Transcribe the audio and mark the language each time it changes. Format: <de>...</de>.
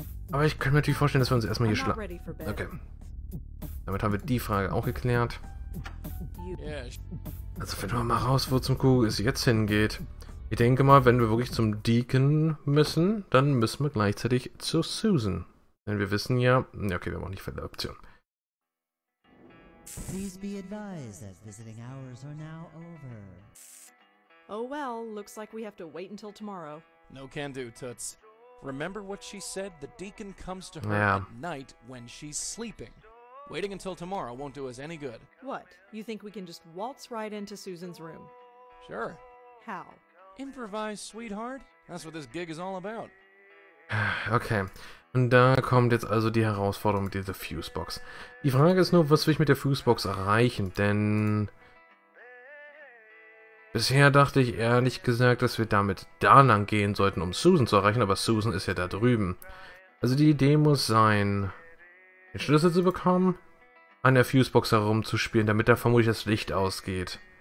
<de>Aber ich könnte mir natürlich vorstellen, dass wir uns erstmal hier schlafen. Okay. Damit haben wir die Frage auch geklärt. Also finden wir mal raus, wo zum Kuckuck es jetzt hingeht. Ich denke mal, wenn wir wirklich zum Deacon müssen, dann müssen wir gleichzeitig zu Susan. Denn wir wissen ja... Okay, wir haben auch nicht viele Optionen.</de> <en>Please be advised that visiting hours are now over. Oh well, looks like we have to wait until tomorrow. No can do, Toots. Remember what she said? The Deacon comes to her at night when she's sleeping. Waiting until tomorrow won't do us any good. What? You think we can just waltz right into Susan's room? Sure. How? Improvise, sweetheart. That's what this gig is all about. Okay.</en> <de>Und da kommt jetzt also die Herausforderung mit dieser Fusebox. Die Frage ist nur, was will ich mit der Fusebox erreichen? Denn bisher dachte ich ehrlich gesagt, dass wir damit da lang gehen sollten, um Susan zu erreichen. Aber Susan ist ja da drüben. Also die Idee muss sein, den Schlüssel zu bekommen, an der Fusebox herumzuspielen, damit da vermutlich das Licht ausgeht.</de>